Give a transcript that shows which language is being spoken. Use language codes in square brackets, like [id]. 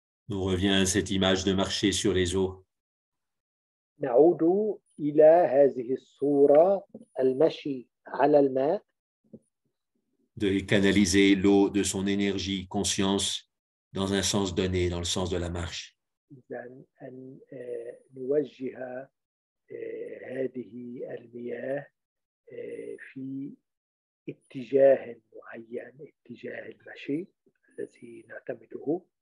[fr] On revient à cette image de marcher sur les eaux. [ar] نعود إلى هذه الصورة المشي على الماء. [fr] De canaliser l'eau de son énergie, conscience, dans un sens donné, dans le sens de la marche. [ar] إذن أن نوجه هذه المياه في اتجاه معين، اتجاه المشي الذي نعتمده.